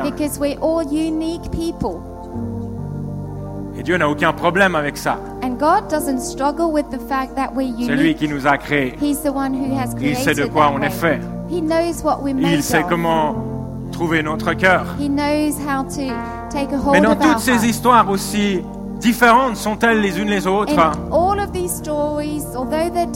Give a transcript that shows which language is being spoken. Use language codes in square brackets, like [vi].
[en] Because we're all unique people. [fr] Et Dieu n'a aucun problème avec ça. [en] And God doesn't struggle with the fact that we're unique. [fr] C'est lui qui nous a créés. [en] He's the one who has created. [fr] Il sait de quoi on est fait. [en] He knows what we're made of. [fr] Il sait comment trouver notre cœur. [en] He knows how to take a hold of our [fr] heart. Mais dans toutes ces histoires aussi différentes sont-elles les unes les autres? [en] In all of these stories, although they're different,